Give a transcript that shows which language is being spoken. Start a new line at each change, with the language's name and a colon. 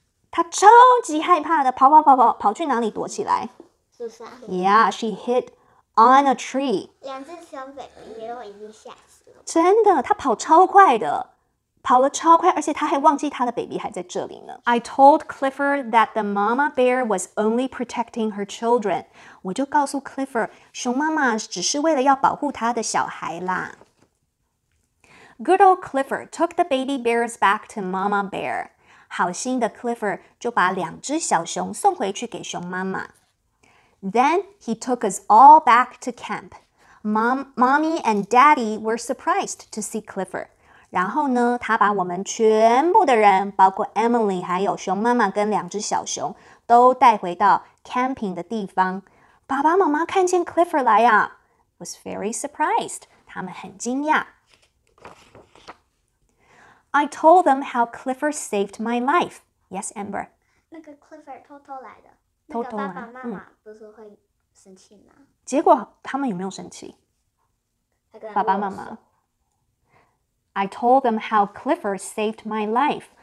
Chinese: 她超级害怕的，跑去哪里躲起来？
English: Yeah, she hid on a tree.
Chinese: 两只小 baby 也已经吓死了。真的，她跑超快的，跑了超快，而且她还忘记她的 baby 还在这里呢。
English: I told Clifford that the mama bear was only protecting her children.
Chinese: 我就告诉 Clifford, 熊妈妈只是为了要保护她的小孩啦。
English: Good old Clifford took the baby bears back to mama bear.
Chinese: 好心的 Clifford 就把两只小熊送回去给熊妈妈。
English: Then he took us all back to camp. Mommy and Daddy were surprised to see Clifford.
Chinese: 然后呢，他把我们全部的人，包括 Emily 还有熊妈妈跟两只小熊，都带回到 camping 的地方。爸爸妈妈看见 Clifford 来啊
English: was very surprised.
Chinese: 他们很惊讶。
English: I told them how Clifford saved my life. Yes, Amber.
Chinese: 那个 Clifford 偷偷来的。偷偷那个爸爸妈妈不是会生气吗？嗯、结果他们有没有生气？爸爸妈妈
English: ，I told them how Clifford saved my life.